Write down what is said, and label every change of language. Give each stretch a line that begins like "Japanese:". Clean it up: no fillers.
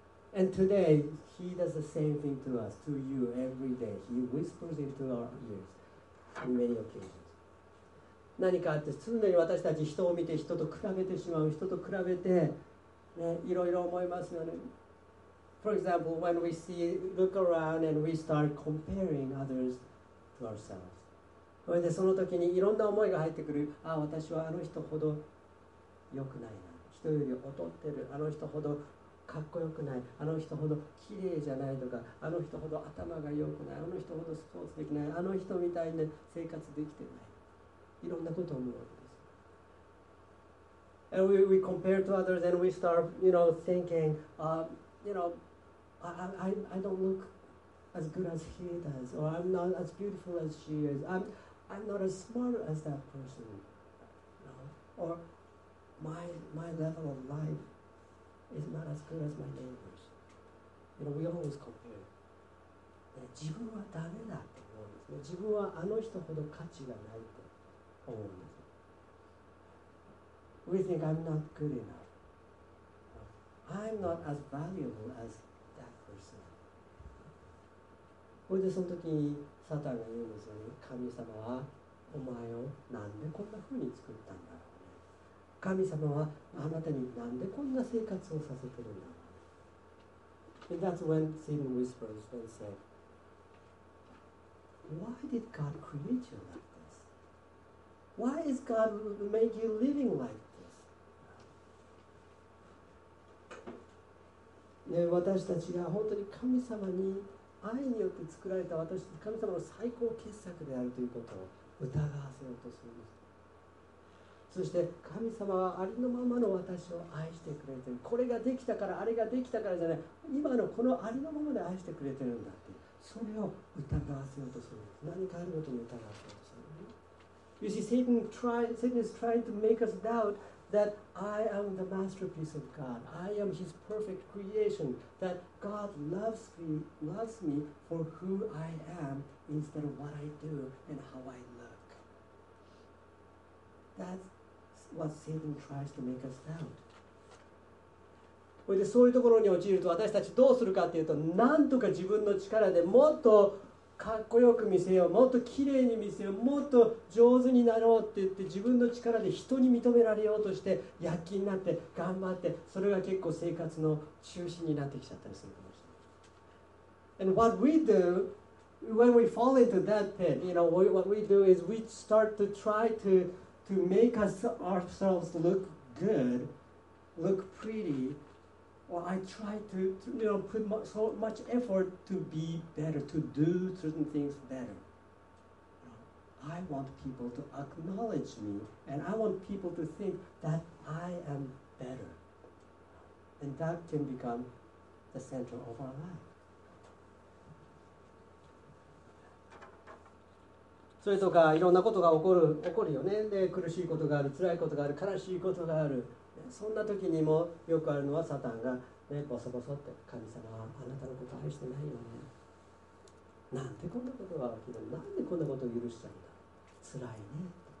English: And today, he does the same thing to us, to you, every day. He whispers into our ears in many occasions.
Japanese: 何かあって、常に私たち人を見て、人と比べてしまう、人と比べて、ね、いろいろ思いますよね。
English: For example, when we see, look around and we start comparing others to ourselves.
Japanese: それでその時にいろんな思いが入ってくる。ああ、私はあの人ほど良くないな。人より劣ってる。あの人ほどかっこよくない。あの人ほど綺麗じゃないとか。あの人ほど頭が良くない。あの人ほどスポーツできない。あの人みたいな生活できてない。いろんなことを思うわけです。
English: And we compare to others and we start, you know, thinking, I don't look as good as he does, or I'm not as beautiful as she is. I'm not as smart as that person, no. Or my level of life is not as good as my neighbor's. You know, we always compare.
Japanese: 自分はダメだって思うんですね。自分はあの人ほど価値がないと思うんです。
English: We think I'm not good enough. I'm not as valuable as that person.
Japanese: それでその時にサタンが言うんですよね。神様はお前をなんでこんな風に作ったんだろうね。神様はあなたになんでこんな生活をさせてるんだろうね。
English: And that's when Satan whispers and said, Why did God create you like this? Why is God make you living like this?
Japanese: ね、私たちが本当に神様に愛によって作られた私、神様の最高傑作であるということを疑わせようとするんです。そして神様はありのままの私を愛してくれている。これができたから、あれができたからじゃない。今のこのありのままで愛してくれているんだって。それを疑わせようとするんです。何かあるごとに疑わせようとするんです。
English: You see, Satan is trying to make us doubt that I am the masterpiece of God. I am His perfect creation. That God loves me for who I am instead of what I do and how I look. That's what Satan tries to make us doubt.
Japanese: それでそういうところに陥ると私たちどうするかっていうと、なんとか自分の力でもっとかっこよく見せよう、もっと綺麗に見せよう、もっと上手になろうって言って、自分の力で人に認められようとして躍起になって頑張って、それが結構生活の中心になってきちゃったりするかもしれない。
English: And what we do when we fall into that pit, you know, what we do is we start to try to make ourselves look good, look pretty, or I try to you know, put so much effort to be better, to do certain things better. I want people to acknowledge me and I want people to think that I am better. And that can become the center of our life.
Japanese: それとかいろんなことが起こるよね。で、苦しいことがある、辛いことがある、悲しいことがある。そんな時にもよくあるのはサタンがね、ボソボソって神様はあなたのこと愛してないよね。なんでこんなことが起きる。なんでこんなことを許しちゃうんだ。辛いね。